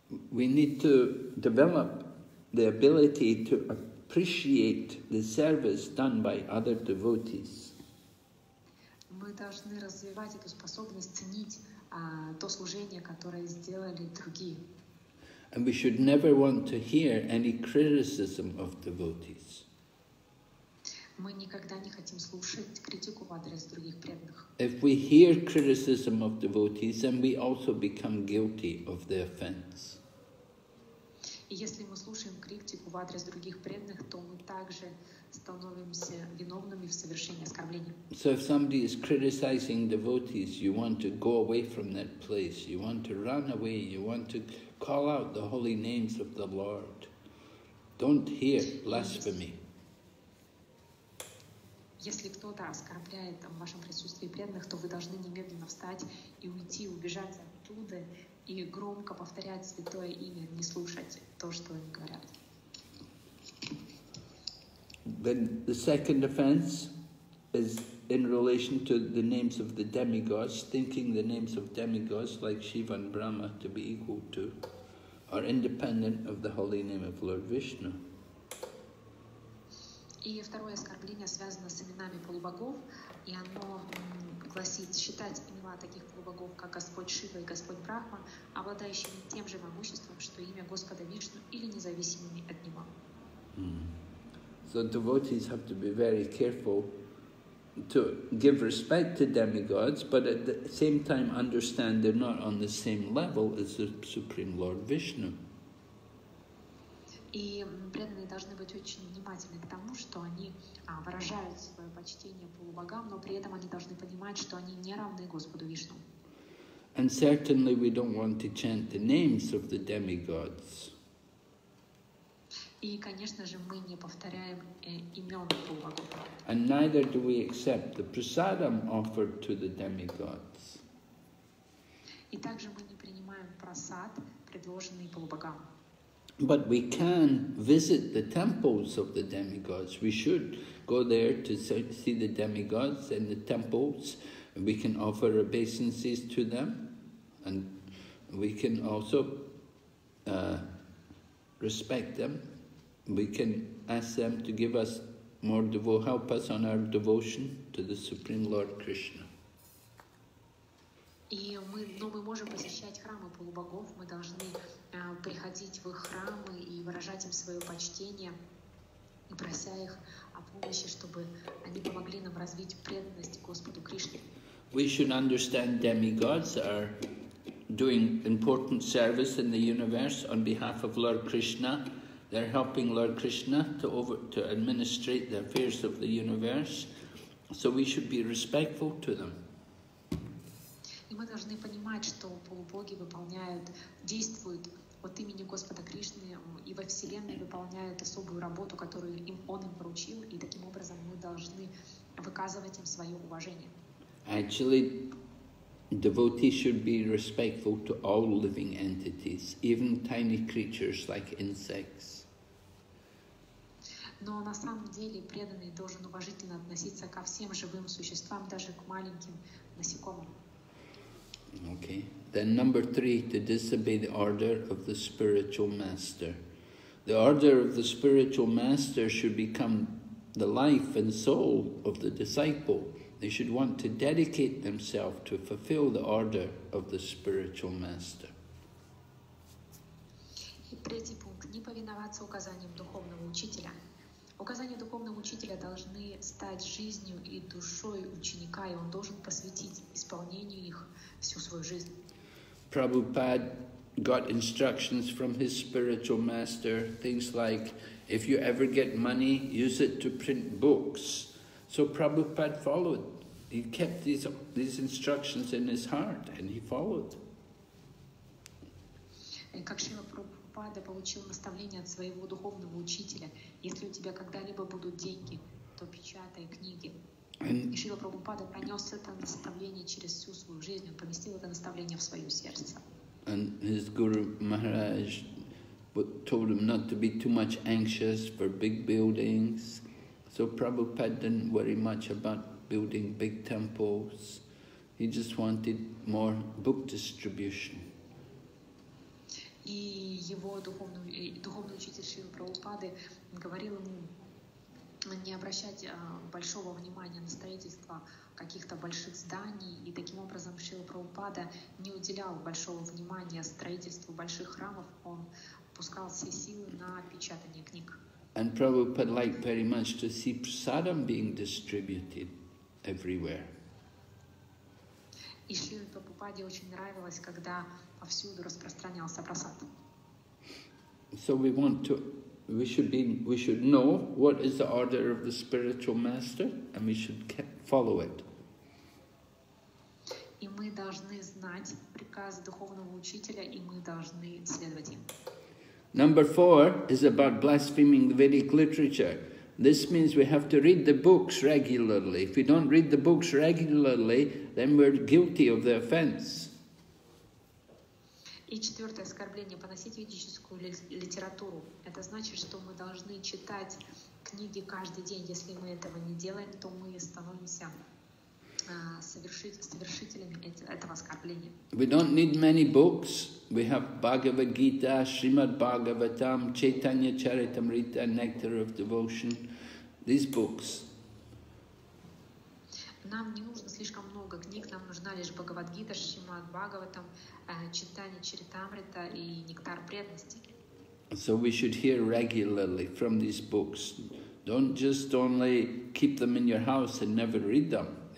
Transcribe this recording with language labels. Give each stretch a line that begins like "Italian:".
English: We need to develop the ability to appreciate the service done by other devotees.
Russian: Мы должны развивать эту способность ценить то служение, которое сделали другие.
English: And we should never want to hear any criticism of devotees.
Russian: Мы никогда не хотим слушать критику в адрес других преданных.
English: If we hear criticism of devotees, then we also become guilty of the offense.
Russian: И если мы слушаем критику в адрес других преданных, то мы также становимся виновными в совершении оскорбления.
English: So if somebody is criticizing devotees, you want to go away from that place, you want to run away, you want to call out the holy names of the Lord. Don't hear blasphemy.
Russian: Если кто-то оскорбляет в вашем присутствии преданных, то вы должны немедленно встать и уйти, убежать оттуда и громко повторять святое имя, не слушать то, что они говорят.
English: Then the second offense is in relation to the names of the demigods, thinking the names of demigods like Shiva and Brahma to be equal to, are independent of the holy name of Lord Vishnu.
Russian: И второе оскорбление связано с именами полубогов, и оно гласит считать имена таких полубогов, как Господь Шива и Господь Брахма, обладающими тем же могуществом, что имя Господа Вишну, или независимыми от него.
English: So devotees have to be very careful to give respect to demigods, but at the same time understand they're not on the same level as the Supreme Lord Vishnu.
Russian: И преданные должны быть очень внимательны к тому, что они выражают свое почтение полубогам, но при этом они должны понимать, что они не равны Господу Вишну.
English: And certainly we don't want to chant the names of the demigods.
Russian: И, конечно же, мы не повторяем имен полубогов.
English: And neither do we accept the prasadam offered to the demigods.
Russian: И также мы не принимаем прасад, предложенный полубогам.
English: But we can visit the temples of the demigods. We should go there to see the demigods in the temples. We can offer obeisances to them, and we can also respect them. We can ask them to give us more help us on our devotion to the Supreme Lord Krishna.
Russian: Но мы можем посещать храмы полубогов, мы должны приходить в их храмы и выражать им свое почтение, прося их о помощи, чтобы они помогли нам развить преданность Господу Кришне.
English: We should understand demigods are doing important service in the universe on behalf of Lord Krishna. They're helping Lord Krishna to administrate the affairs of the universe, so we should be respectful to them.
Russian: И мы должны понимать, что полубоги выполняют, действуют от имени Господа Кришны и во Вселенной выполняют особую работу, которую им Он им поручил, и таким образом мы должны выказывать им свое уважение.
English: Actually, devotees should be respectful to all living entities, even tiny creatures like insects.
Russian: Но на самом деле преданный должен уважительно относиться ко всем живым существам, даже к маленьким насекомым.
English: Okay. Then number three, to disobey the order of the spiritual master. The order of the spiritual master should become the life and soul of the disciple. They should want to dedicate themselves to fulfill the order of the spiritual master.
Russian: И третий пункт. Не повиноваться указаниям духовного учителя. Указания духовного учителя должны стать жизнью и душой ученика, и он должен посвятить исполнению их всю свою жизнь.
English: Prabhupada got instructions from his spiritual master, things like, if you ever get money, use it to print books. So Prabhupada followed. He kept these instructions in his heart, and he followed.
Russian: Как Шрила Прабхупада получил наставление от своего духовного учителя, если у тебя когда-либо будут деньги, то печатай книги. И Шрила Прабхупада понес это наставление через всю свою жизнь, он поместил это наставление в свое сердце.
English: And his Guru Maharaj told him not to be too much anxious for big buildings. So Prabhupada didn't worry much about building big temples. He just wanted more book distribution.
Russian: И его духовный учитель Шрила Прабхупады говорил ему не обращать большого внимания на строительство каких-то больших зданий, и таким образом Шрила Прабхупада не уделял большого внимания строительству больших храмов, он пускал все силы на печатание книг.
English: And Prabhupada liked very much to see prasadam being distributed everywhere.
Russian: И Шрила Прабхупаде очень нравилось, когда повсюду распространялся прасад.
English: So we should know what is the order of the spiritual master, and we should follow it.
Russian: И мы должны знать приказы духовного учителя, и мы должны следовать им.
English: Number four is about blaspheming the Vedic literature. This means we have to read the books regularly. If we don't read the books regularly, then we're guilty of the offense.
Russian: И четвертое оскорбление – поносить ведическую литературу. Это значит, что мы должны читать книги каждый день. Если мы этого не делаем, то мы становимся совершителями этого оскорбления.
English: We don't need many books. We have Bhagavad Gita, Srimad Bhagavatam, Chaitanya Charitamrita, Nectar of Devotion. These books.
Russian: Нам не нужно слишком много книг, нам нужна лишь Бхагавад Гита, Шримад Бхагаватам, Чайтанья Чаритамрита и Нектар Преданности.
English: So we should hear regularly from these books. Don't just only keep them in your house and never read them.